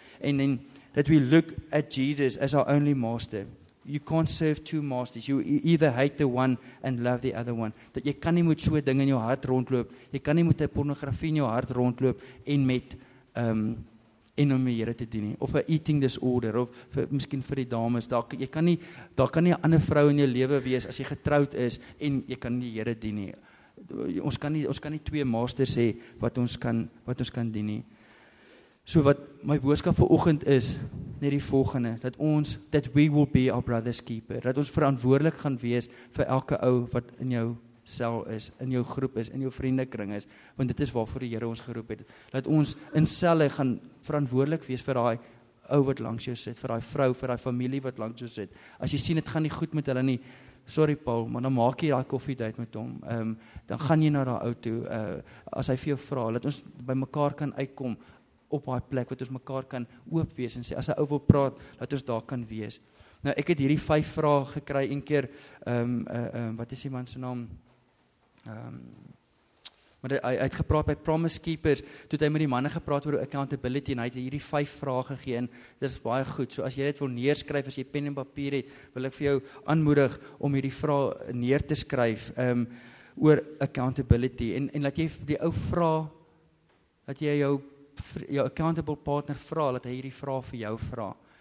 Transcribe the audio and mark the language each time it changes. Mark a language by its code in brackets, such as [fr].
[en] And then that we look at Jesus as our only master. You can't serve two masters. You either hate the one and love the other one. [af] Dat jy kan nie met so 'n ding in jou hart rondloop. Jy kan nie met 'n pornografie in jou hart rondloop en met en om die Here te dien nie. Of 'n eating disorder of vir miskien vir die dames, daar kan nie 'n ander vrou in jou lewe wees as jy getroud is en jy kan die Here dien nie. Ons kan nie twee masters hê wat ons kan dien nie. So wat my boodskap vir oggend is, net die volgende, [en] that we will be our brother's keeper, [af] dat ons verantwoordelik gaan wees vir elke ou wat in jou sel is, in jou groep is, in jou vriendekring is, want dit is waarvoor die Here ons geroep het, dat ons in selle gaan verantwoordelik wees vir daai ou wat langs jou sit, vir daai vrou, vir daai familie wat langs jou sit. As jy sien, dit gaan nie goed met hulle nie, sorry Paul, maar dan maak jy daai koffiedate met hom, dan gaan jy na daai ou toe, as hy vir jou vra, dat ons by mekaar kan uitkom, op daai plek wat ons mekaar kan oop wees en sê as 'n ou wil praat, laat ons daar kan wees. Nou ek het hierdie 5 vrae gekry een keer wat is die man se naam? Maar hy het gepraat by Promise Keepers, toe het hy met die manne gepraat oor accountability en hy het hierdie 5 vrae gegee en dit is baie goed. So as jy dit wil neerskryf, as jy pen en papier het, wil ek vir jou aanmoedig om hierdie vrae neer te skryf oor accountability en laat jy die ou vra dat jy jou accountable partner vra, dat hy hierdie vraag vir jou vra.